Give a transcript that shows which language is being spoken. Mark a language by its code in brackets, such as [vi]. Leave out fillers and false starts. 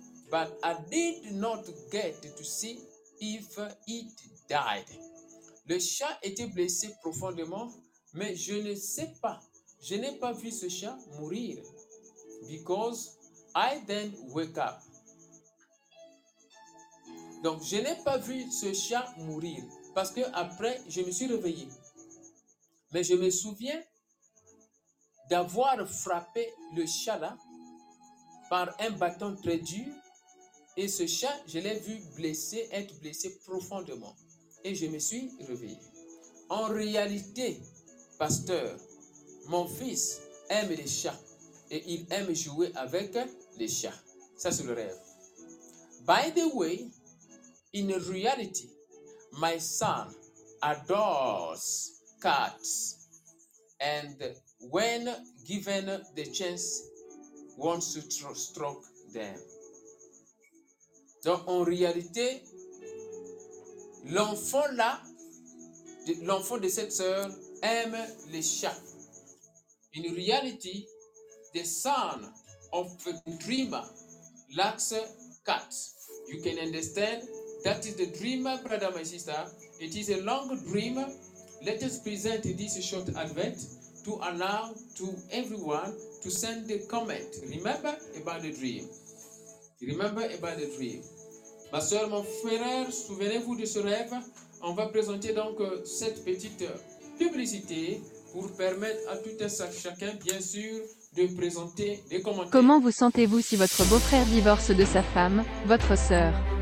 [en] But I did not get to see if it died. [fr] Le chat était blessé profondément, mais je ne sais pas. Je n'ai pas vu ce chat mourir. [en] Because I then wake up. [fr] Donc, je n'ai pas vu ce chat mourir. Parce que après, je me suis réveillé. Mais je me souviens d'avoir frappé le chat là par un bâton très dur. Et ce chat, je l'ai vu être blessé profondément. Et je me suis réveillé. En réalité, pasteur, mon fils aime les chats. Et il aime jouer avec les chats. Ça, c'est le rêve. [en] By the way, in reality, my son adores cats. And when given the chance, wants to stroke them. [fr] Donc, en réalité, l'enfant de cette sœur aime les chats. [en] In reality, the son of the dreamer likes cats. You can understand that is the dreamer, brother, my sister. It is a long dream. Let us present this short advent to allow to everyone to send a comment. Remember about the dream. Remember about the dream. [fr] Ma soeur, mon frère, souvenez-vous de ce rêve. On va présenter donc cette petite publicité pour permettre à tout un chacun, bien sûr, de présenter des commentaires. Comment vous sentez-vous si votre beau-frère divorce de sa femme, votre sœur?